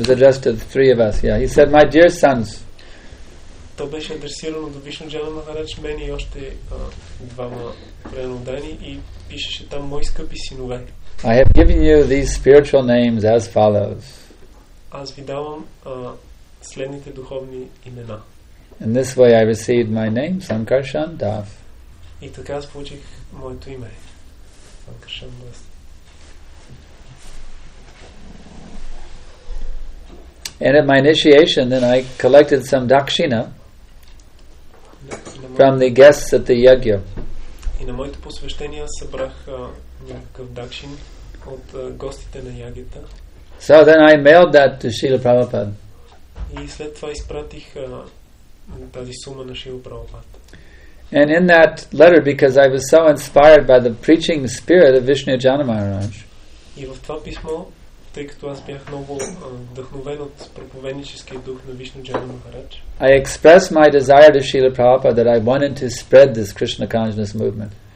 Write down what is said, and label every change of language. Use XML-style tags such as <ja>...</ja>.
<en>It was addressed to the three of us. Yeah, he said, "My dear sons."</en> <bg>То беше адресирано до Вишну Джана Махарадж, мен и още двама преноданни и пишеше там мои скъпи синове.</bg> <en>I have given you these spiritual names as follows.</en> <bg>Аз ви давам следните духовни имена.</bg> <en>In this way I received my name, Sankarshan Das.</en> <bg>И така аз получих моето име. Sankarshan Das.</bg> <en>And at my initiation, then I collected some dakshina from the guests at the yagya.</en> <bg>И на моето посвещение събрах някакъв дакшин от гостите на ягията.</bg> <en>So then I mailed that to Srila Prabhupada.</en> <bg>И след това изпратих тази сума на Шрила Прабхупад.</bg> <en>And in that letter, because I was so inspired by the preaching spirit of Vishnu Jana Maharaj.</en> <bg>И в това писмо, тъй като аз бях много вдъхновен от проповедническия дух на Вишну Джана Махарадж,</bg> <en>I expressed my desire to Srila Prabhupada that I wanted to spread this Krishna consciousness movement.</en>